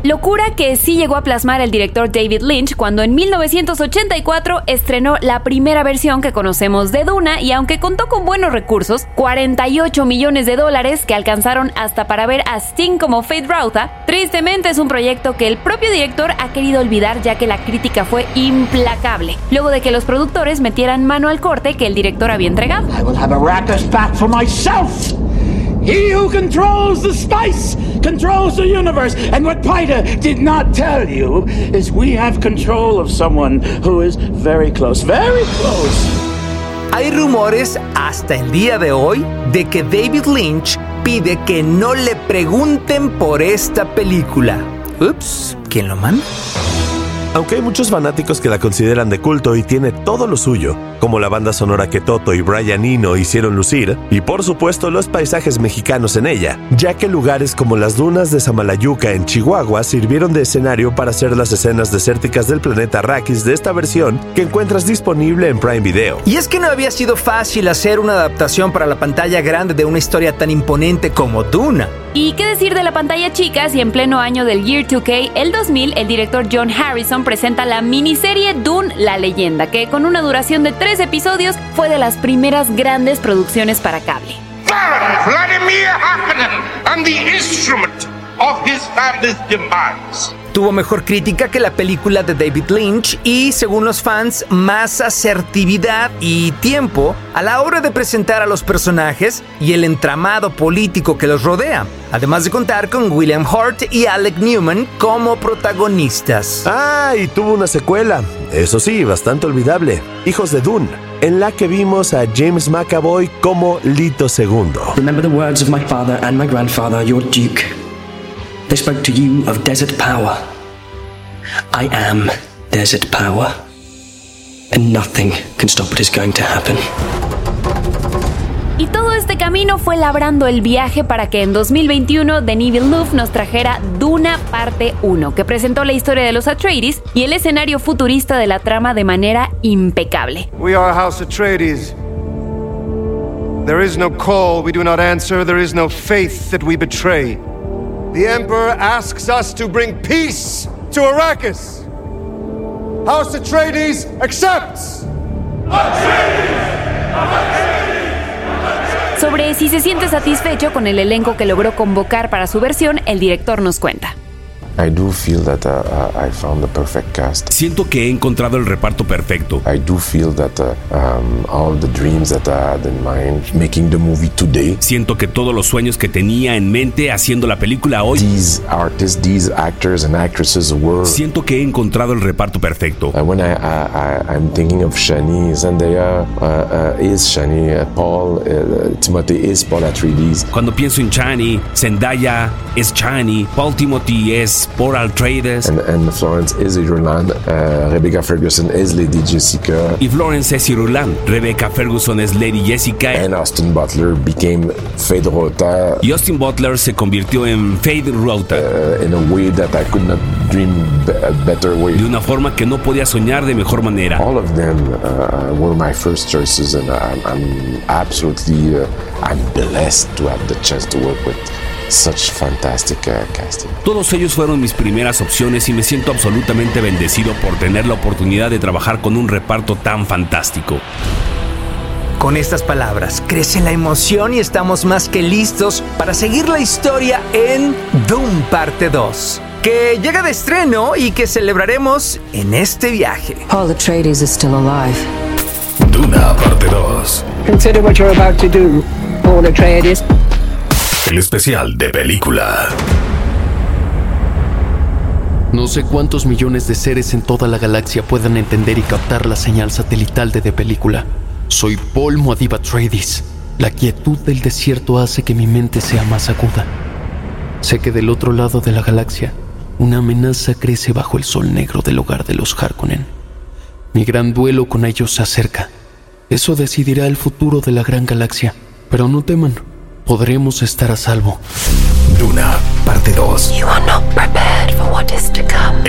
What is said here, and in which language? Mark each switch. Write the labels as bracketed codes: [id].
[es] Locura que sí llegó a plasmar el director David Lynch cuando en 1984 estrenó la primera versión que conocemos de Duna y aunque contó con buenos recursos, $48 millones que alcanzaron hasta para ver a Sting como Fate Rauta, tristemente es un proyecto que el propio director ha querido olvidar ya que la crítica fue implacable, luego de que los productores metieran mano al corte que el director había entregado. [en] I will have a raucous bat for myself. He who controls the spice controls the universe. And what Pyta did not tell you is we have control of someone who is very close, very close. [es] Hay rumores hasta el día de hoy de que David Lynch pide que no le pregunten por esta película. Ups, ¿quién lo manda? Aunque hay muchos fanáticos que la consideran de culto y tiene todo lo suyo, como la banda sonora que Toto y Brian Eno hicieron lucir, y por supuesto los paisajes mexicanos en ella, ya que lugares como las dunas de Samalayuca en Chihuahua sirvieron de escenario para hacer las escenas desérticas del planeta Arrakis de esta versión que encuentras disponible en Prime Video. Y es que no había sido fácil hacer una adaptación para la pantalla grande de una historia tan imponente como Duna. ¿Y qué decir de la pantalla chica si en pleno año del Year 2K, el 2000, el director John Harrison presenta la miniserie Dune, la leyenda, que con una duración de 3 episodios fue de las primeras grandes producciones para cable. [en] Vladimir Harkonnen and the instrument of his father's demise. [es] Tuvo mejor crítica que la película de David Lynch y, según los fans, más asertividad y tiempo a la hora de presentar a los personajes y el entramado político que los rodea, además de contar con William Hurt y Alec Newman como protagonistas. ¡Ah! Y tuvo una secuela. Eso sí, bastante olvidable. Hijos de Dune, en la que vimos a James McAvoy como Leto II. [en] Remember the words of my father and my grandfather, your duke. They spoke to you of desert power. I am desert power. And nothing can stop what is going to happen. [es] Y todo este camino fue labrando el viaje para que en 2021 Denis Villeneuve nos trajera Duna Parte 1, que presentó la historia de los Atreides y el escenario futurista de la trama de manera impecable. [en] We are House Atreides. There is no call we do not answer, there is no faith that we betray. The Emperor asks us to bring peace to Arrakis. House Atreides accepts! Atreides! Atreides! [es] Sobre si se siente satisfecho con el elenco que logró convocar para su versión, el director nos cuenta. [en] I do feel that I found the perfect cast. [es] Siento que he encontrado el reparto perfecto. [en] I do feel that all the dreams that I had in mind making the movie today. [es] Siento que todos los sueños que tenía en mente haciendo la película hoy. [en] These artists, these actors and actresses were. [es] Siento que he encontrado el reparto perfecto. [en] And when I'm thinking of Shani, Zendaya is Shani, Paul, Timothy is Paul Atreides. [es] Cuando pienso en Shani, Zendaya es Shani, Paul Timothy es Paul Atreides. [en] And Florence is Irulan. Rebecca Ferguson is Lady Jessica. [es] Y Florence es Irulan. Rebecca Ferguson es Lady Jessica. [en] And Austin Butler became Fade Rota. [es] Y Austin Butler se convirtió en Fade Rota. [en] In a way that I could not dream a better way. [es] De una forma que no podía soñar de mejor manera. [en] All of them were my first choices, and I'm absolutely I'm blessed to have the chance to work with. Such fantastic casting. [es] Todos ellos fueron mis primeras opciones y me siento absolutamente bendecido por tener la oportunidad de trabajar con un reparto tan fantástico. Con estas palabras crece la emoción y estamos más que listos para seguir la historia en Doom Parte 2, que llega de estreno y que celebraremos en este viaje. [en] Paul Atreides is still alive. [es] Duna Parte 2. [en] Consider what you're about to do, Paul Atreides. [es] El especial de película. No sé cuántos millones de seres en toda la galaxia puedan entender y captar la señal satelital de película. Soy Paul Muad'Dib Atreides. La quietud del desierto hace que mi mente sea más aguda. Sé que del otro lado de la galaxia, una amenaza crece bajo el sol negro del hogar de los Harkonnen. Mi gran duelo con ellos se acerca. Eso decidirá el futuro de la gran galaxia. Pero no teman. Podremos estar a salvo. Duna, parte 2. [en] You are not prepared for what is to come.